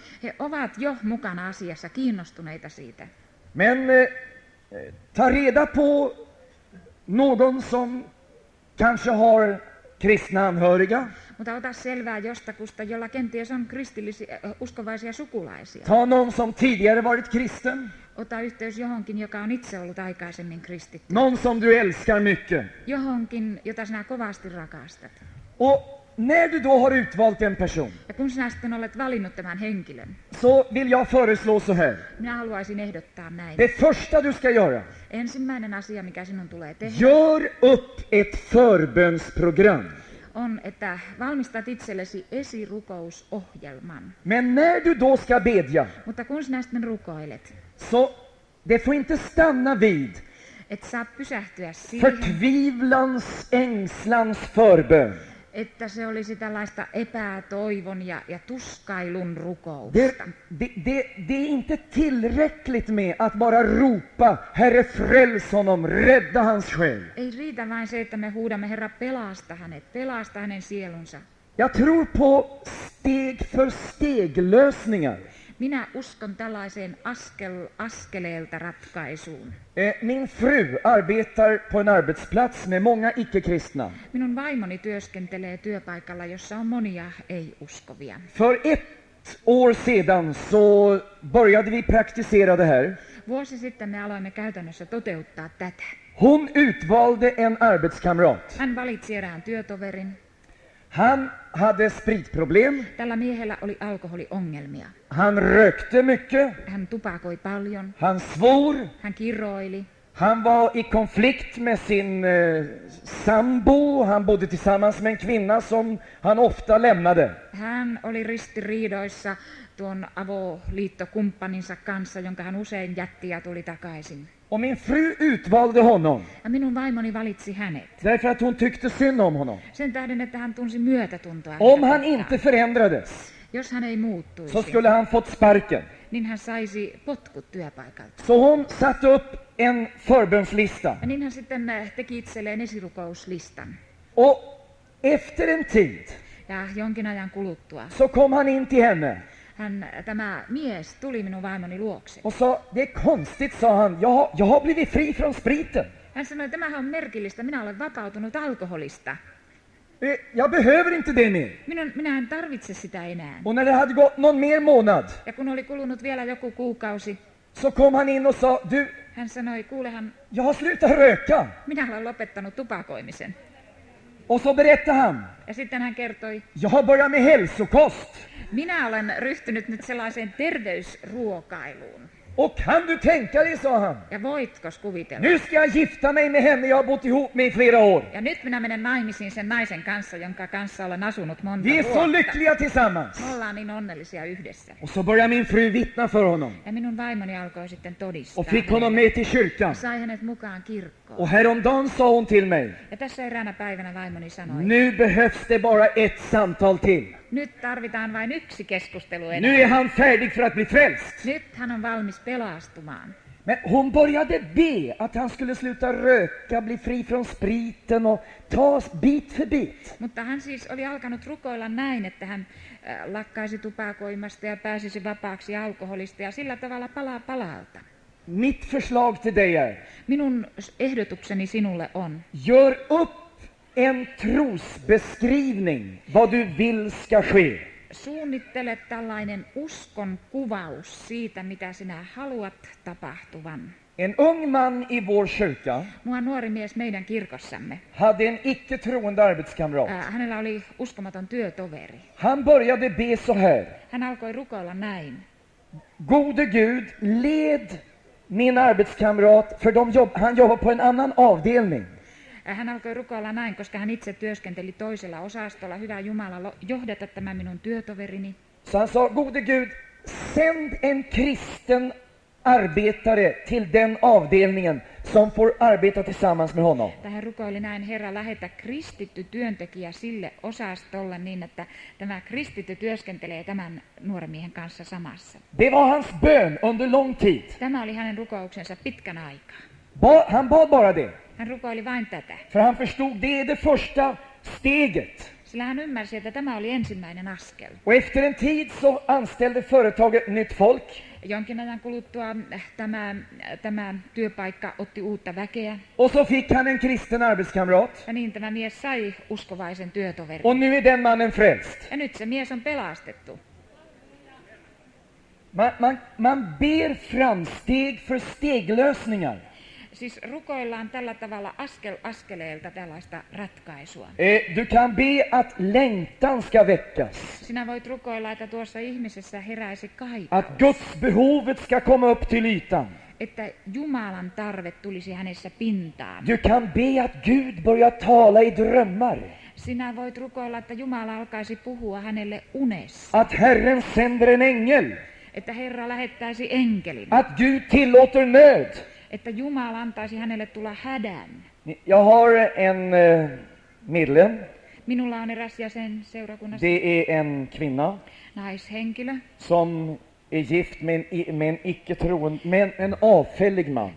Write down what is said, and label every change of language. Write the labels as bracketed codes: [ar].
[fi] He ovat jo mukana asiassa, kiinnostuneita siitä. [sv] Men ta reda på någon som kanske har kristna anhöriga. [fi] Mutta ota selvää jostakusta, jolla kenties on kristillisiä uskovaisia sukulaisia. [sv] Ta någon som tidigare varit kristen. [fi] Ota yhteys johonkin, joka on itse ollut aikaisemmin kristitty. [sv] Någon som du älskar mycket. [fi] Johonkin, jota sinä kovasti rakastat. [sv] Och när du då har utvalt en person. [fi] Ja kun sinä sitten olet valinnut tämän henkilön. [sv] Så vill jag föreslå så här. [fi] Minä haluaisin ehdottaa näin. [sv] Det första du ska göra. [fi] Ensimmäinen asia, mikä sinun tulee tehdä. [sv] Gör upp ett förbönsprogram. [fi] On, että valmistat itsellesi esirukousohjelman. [sv] Men när du då ska bedja. [fi] Mutta kun sinä sitten rukoilet. [sv] Så det får inte stanna vid. [fi] Et saa pysähtyä siihen. [sv] Förtvivlans ängslans förbön. [fi] Että se olisi tällaista epätoivon ja tuskailun rukousta. [sv] Det är inte tillräckligt med att bara ropa, Herre fräls honom, rädda hans själ. [fi] Ei riitä vain se, että me huudamme, Herra pelasta hänen sielunsa. [sv] Jag tror på steg för steg lösningar. [fi] Minä uskon tällaiseen askeleelta ratkaisuun. [sv] Min fru arbetar på en arbetsplats med många icke-kristna. [fi] Minun vaimoni työskentelee työpaikalla, jossa on monia ei-uskovia. [sv] För ett år sedan så började vi praktisera det här. [fi] Vuosi sitten me aloimme käytännössä toteuttaa tätä. [sv] Hon utvalde en arbetskamrat. [fi] Hän valitsi erään työtoverin. [sv] Han hade spritproblem. [fi] Tällä miehellä oli alkoholiongelmia. [sv] Han rökte mycket. [fi] Hän tupakoi paljon. [sv] Han svor. [fi] Hän kiroili. [sv] Han var i konflikt med sin sambo. Han bodde tillsammans med en kvinna som han ofta lämnade. [fi] Hän oli ristiriidoissa tuon avoliittokumppaninsa kanssa, jonka hän usein jätti ja tuli takaisin. [sv] Och min fru utvalde honom. [fi] Ja minun vaimoni valitsi hänet. [sv] Därför att hon tyckte synd om honom. [fi] Sen tähden, että hän tunsi myötätuntoa. [sv] Om han inte förändrades. [fi] Jos hän ei muuttuisi. [sv] Så skulle han fått sparken. [fi] Niin hän saisi potkut työpaikalta. [sv] Så hon satte upp en förbönslista. [fi] Ja niin hän sitten teki itselleen esirukouslistan. [sv] Och efter en tid. [fi] Ja jonkin ajan kuluttua. [sv] Så kom han in till henne. [fi] Hän, tämä mies tuli minun vaimoni luokse. [sv] Och så, det är konstigt, sa han. Jag har blivit fri från spriten. [fi] Hän sanoi, tämä on merkillistä. Minä olen vapautunut alkoholista. [sv] Jag behöver inte det mer. [fi] Minä en tarvitse sitä enää. [sv] Och när det hade gått någon mer månad. [fi] Ja kun oli kulunut vielä joku kuukausi. [sv] Så kom han in och sa, du. [fi] Hän sanoi, kuule hän. [sv] Jag har slutat röka. [fi] Minä olen lopettanut tupakoimisen. [sv] Och så berättade han. [fi] Ja sitten hän kertoi. [sv] Jag har börjat med hälsokost. [fi] Minä olen ryhtynyt nyt sellaiseen terveysruokailuun. [sv] Och kan du tänka dig, sa han. [fi] Ja voitkos kuvitella. [sv] Nu ska jag gifta mig med henne, jag har bott ihop med i flera år. [fi] Ja nyt minä menen naimisiin sen naisen kanssa, jonka kanssa olen asunut monta vuotta. [sv] Vi är så lyckliga tillsammans. [fi] Me ollaan niin onnellisia yhdessä. [sv] Och så började min fru vittna för honom. [fi] Ja minun vaimoni alkoi sitten todistaa. [sv] Och fick honom med till kyrkan. [fi] Sai hänet mukaan kirkkoon. [sv] Och häromdagen sa hon till mig. [fi] Ja tässä eräänä päivänä vaimoni sanoi. [sv] Nu behövs det bara ett samtal till. [fi] Nyt tarvitaan vain yksi keskustelu enää. [sv] Nu är han färdig för att bli frälst. [fi] Nyt hän on valmis pelastumaan. [sv] Men hon började be att han skulle sluta röka, bli fri från spriten och ta bit för bit. [fi] Mutta hän siis oli alkanut rukoilla näin, että hän lakkaisi tupakoimasta ja pääsisi vapaaksi alkoholista ja sillä tavalla palaa palalta. [sv] Mitt förslag till dig är. [fi] Minun ehdotukseni sinulle on. [sv] Gör upp en trosbeskrivning vad du vill ska ske. [fi] Suunnittele tällainen uskon kuvaus siitä, mitä sinä haluat tapahtuvan. [sv] En ung man i vår kyrka. [fi] Mua nuori mies meidän kirkossamme. [sv] Hade en icke troende arbetskamrat. [fi] Hänellä oli uskomaton työtoveri. [sv] Han började be så här. [fi] Hän alkoi rukoilla näin. [sv] Gode Gud, led min arbetskamrat, för de han jobbar på en annan avdelning. [fi] Hän alkoi rukoilla näin, koska hän itse työskenteli toisella osastolla. Hyvä Jumala, johdata tämä minun työtoverini. [sv] Så han sa, gode Gud, send en kristen arbetare till den avdelningen som får arbeta tillsammans med honom. [fi] Hän rukoili näin, Herra, lähetä kristitty työntekijä sille osastolle niin, että tämä kristitty työskentelee tämän nuoren miehen kanssa samassa. [sv] Det var hans bön under lång tid. [fi] Tämä oli hänen rukouksensa pitkän aikaa. [sv] Han bad bara det. [fi] Hän rukoili vain tätä. [sv] För han förstod, det är det första steget. [fi] Sillä hän ymmärsi, että tämä oli ensimmäinen askel. [sv] Och efter en tid så anställde företaget nytt folk. [fi] Jonkin ajan kuluttua tämä työpaikka otti uutta väkeä. [sv] Och så fick han en kristen arbetskamrat. [fi] Ja niin tämä mies sai uskovaisen työtoverin. [sv] Och nu är den mannen frälst. [fi] Ja nyt se mies on pelastettu. [sv] Man ber framsteg för steglösningar. [fi] Siis rukoillaan tällä tavalla askel askeleelta tällaista ratkaisua. [sv] Du kan be att längtan ska väckas. [fi] Sinä voit rukoilla, että tuossa ihmisessä heräisi kaipaus. [sv] Att Guds behovet ska komma upp till ytan. [fi] Että Jumalan tarve tulisi hänessä pintaan. [sv] Du kan be att Gud börjar tala i drömmar. [fi] Sinä voit rukoilla, että Jumala alkaisi puhua hänelle unessa. [sv] Att Herren sänder en ängel. [fi] Että Herra lähettäisi enkelin. [sv] Att Gud tillåter nöd. [fi] Että Jumala antaisi hänelle tulla hädän. [sv] Jag har en medlem. [fi] Minulla on eräs jäsen seurakunnassa. [sv] Det är en kvinna. [fi] Naishenkilö. [sv] Som är gift med en icke-troende, med en avfällig man.